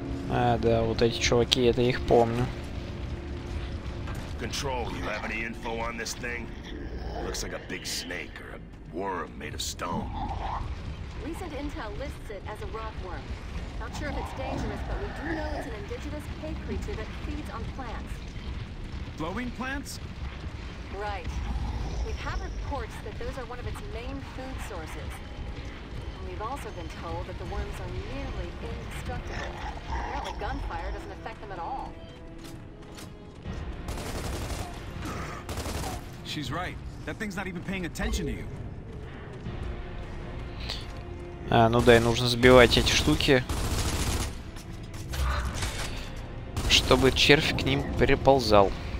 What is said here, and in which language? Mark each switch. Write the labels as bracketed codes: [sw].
[ru] А, да, вот эти чуваки, это их помню. [en] Control, you have any info on this thing? Looks like a big snake or a worm made of stone. Recent intel lists it as a rock worm. Not sure if it's dangerous, but we do know it's an indigenous cave creature that feeds on plants. Flowing plants? Right. We have reports that those are one of its main food sources. And we've also been told that the worms are nearly indestructible. Apparently gunfire doesn't affect them at all. She's right. That thing's not even paying attention to you. [ru] А, ну да, и нужно сбивать эти штуки, чтобы червь к ним переползал.